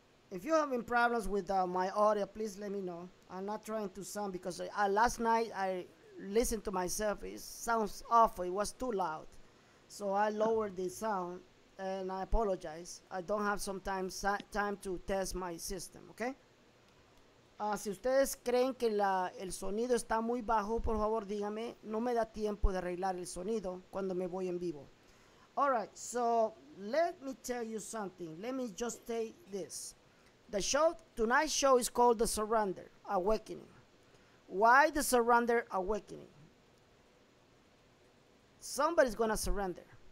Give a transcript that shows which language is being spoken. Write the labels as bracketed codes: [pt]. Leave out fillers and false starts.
[en] If you're having problems with my audio, please let me know. I'm not trying to sound because last night I listened to myself. It sounds awful. It was too loud. So I lowered the sound, and I apologize. I don't have time to test my system, okay? [es] Si ustedes creen que el sonido está muy bajo, por favor, díganme. No me da tiempo de arreglar el sonido cuando me voy en vivo. [en] All right, so let me tell you something. Let me just say this. The show, tonight's show is called The Surrender Awakening. Why The Surrender Awakening? Somebody's going to surrender.